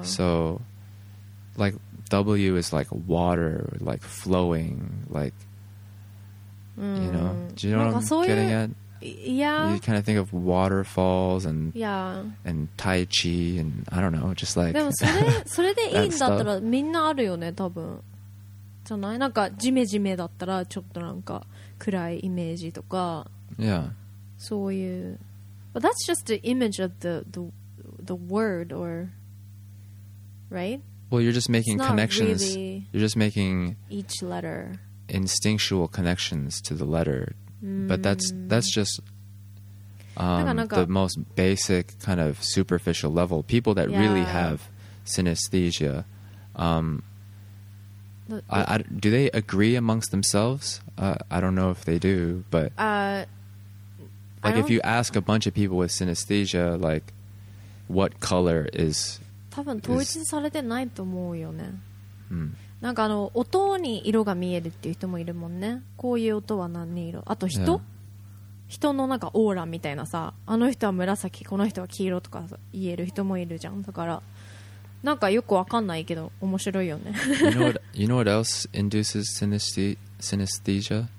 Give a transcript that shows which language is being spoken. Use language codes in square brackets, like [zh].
[en] So, like, W is like water, like flowing, like, you know, do you know what I'm getting at? Yeah. You kind of think of waterfalls and, yeah. and Tai Chi and I don't know, just like that stuff. But if it's good, then everyone has it, probably. [ja] じゃない、なんかジメジメだったらちょっとなんか暗いイメージとか、 [en] yeah. [ja] そういう、 [en] but that's just the image of the word or right? Well, you're just making connections. Really, you're just making each letter instinctual connections to the letter, but that's just the most basic kind of superficial level. People that really have synesthesia. Do they agree amongst themselves? I don't know if they do, but like if you ask a bunch of people with synesthesia, like what color is [ja] 多分統一されてないと思うよね。うん、なんかあの音に色が見えるっていう人もいるもんね。こういう音は何色、あと人、人のなんかオーラみたいなさ、あの人は紫、この人は黄色とか言える人もいるじゃん。だからなんかよくわかんないけど面白いよね。 [en] You know what, you know what else induces synesthesia?